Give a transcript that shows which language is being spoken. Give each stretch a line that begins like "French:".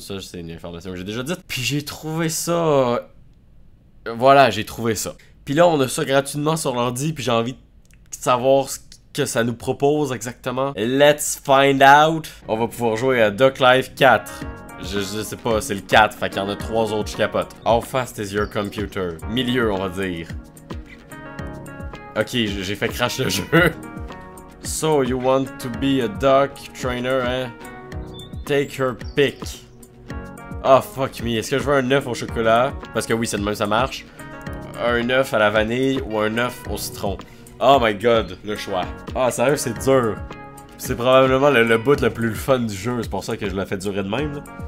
French: Ça, c'est une information que j'ai déjà dite. Puis j'ai trouvé ça... Voilà, j'ai trouvé ça. Puis là, on a ça gratuitement sur l'ordi, puis j'ai envie de savoir ce que ça nous propose exactement.
English: Let's find out!
French: On va pouvoir jouer à Duck Life 4. Je sais pas, c'est le 4, fait qu'il y en a 3 autres, je capote.
English: How fast is your computer?
French: Milieu, on va dire. Ok, j'ai fait crash le jeu.
English: So, you want to be a duck trainer, hein? Take your pick. Oh, fuck me.
French: Est-ce que je veux un œuf au chocolat? Parce que oui, c'est de même, ça marche. Un œuf à la vanille ou un œuf au citron?
English: Oh my god,
French: le choix. Ah, sérieux, c'est dur. C'est probablement le bout le plus fun du jeu, c'est pour ça que je l'ai fait durer de même.